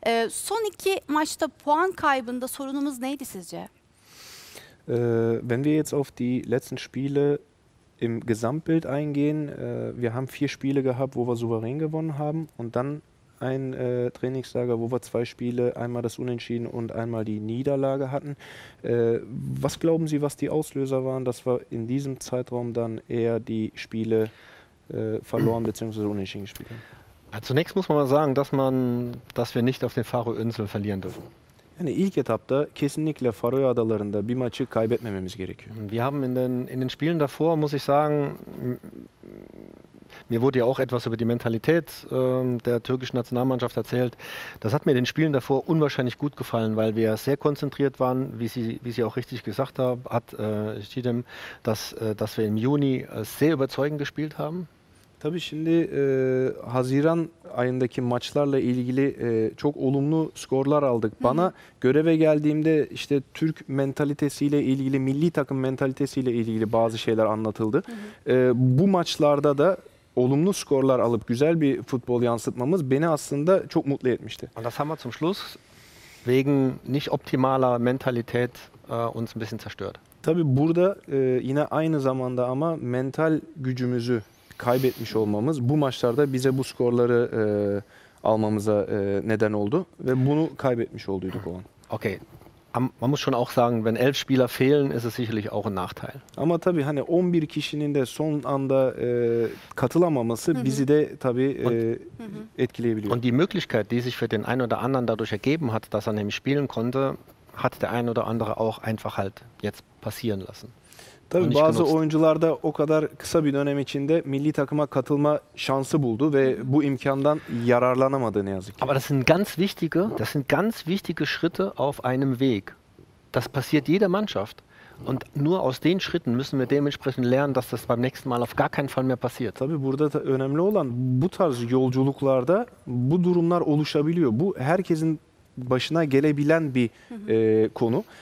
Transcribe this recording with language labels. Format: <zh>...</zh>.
<tr>Son iki maçta puan kaybında sorunumuz neydi sizce?</tr> <de>Wenn wir jetzt auf die letzten Spiele im Gesamtbild eingehen, wir haben 4 Spiele gehabt, wo wir souverän gewonnen haben und dann ein Trainingslager, wo wir 2 Spiele, einmal das Unentschieden und einmal die Niederlage hatten. Was glauben Sie, was die Auslöser waren, dass wir in diesem Zeitraum dann eher die Spiele verloren bzw. unentschieden gespielt haben? Zunächst muss man mal sagen, dass wir nicht auf den Faroe-Inseln verlieren dürfen.</de> <tr>Yani ilk etapta kesinlikle Faroe Adaları'nda bir maçı kaybetmememiz gerekiyor.</tr> <de>Wir haben in den Spielen davor, muss ich sagen, mir wurde ja auch etwas über die Mentalität der türkischen Nationalmannschaft erzählt. Das hat mir in den Spielen davor unwahrscheinlich gut gefallen, weil wir sehr konzentriert waren, wie Sie auch richtig gesagt haben, dass wir im Juni sehr überzeugend gespielt haben.</de> <tr>Tabii şimdi Haziran ayındaki maçlarla ilgili çok olumlu skorlar aldık. Bana göreve geldiğimde işte Türk mentalitesiyle ilgili, milli takım mentalitesiyle ilgili bazı şeyler anlatıldı. Bu maçlarda da olumlu skorlar alıp güzel bir futbol yansıtmamız beni aslında çok mutlu etmişti.</tr> <de>Und das haben wir zum Schluss wegen nicht optimaler Mentalität uns ein bisschen zerstört.</de> <tr>Tabii burada yine aynı zamanda ama mental gücümüzü kaybetmiş olmamız bu maçlarda bize bu skorları almamıza neden oldu ve bunu kaybetmiş olduyduk o an. Okay.</tr> <de>Man muss schon auch sagen, wenn 11 Spieler fehlen, ist es sicherlich auch ein Nachteil.</de> <tr>Ama tabii hani 11 kişinin de son anda katılamaması bizi de tabii etkileyebiliyor.</tr> <de>Und die Möglichkeit, die sich für den einen oder anderen dadurch ergeben hat, dass er nämlich spielen konnte, hat der ein oder andere auch einfach halt jetzt passieren lassen.</de> <tr>Tabii bazı oyuncular da o kadar kısa bir dönem içinde milli takıma katılma şansı buldu ve bu imkandan yararlanamadı ne yazık ki.</tr> <de>Aber das sind ganz wichtige Schritte auf einem Weg. Das passiert jeder Mannschaft. Und nur aus den Schritten müssen wir dementsprechend lernen, dass das beim nächsten Mal auf gar keinen Fall mehr passiert.</de> <tr>Tabii burada da önemli olan bu tarz yolculuklarda bu durumlar oluşabiliyor. Bu herkesin başına gelebilen bir konu.</tr>